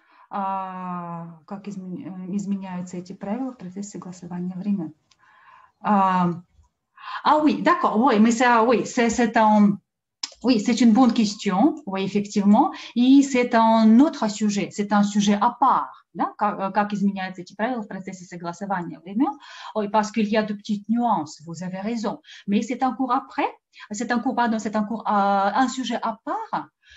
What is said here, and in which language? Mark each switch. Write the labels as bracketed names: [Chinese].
[Russian] Как изменяются эти правила в процессе согласования времени? [French] Oui, d'accord. Oui, mais ça, oui, c'est une bonne question. Oui, effectivement. Et c'est un autre sujet. C'est un sujet à part. [Russian] Да, как изменяются эти правила в процессе согласования времен? [French] Ой, parce qu'il y a de petites nuances, vous avez raison. Mais c'est un cours après, c'est un cours, pardon, c'est un sujet à part.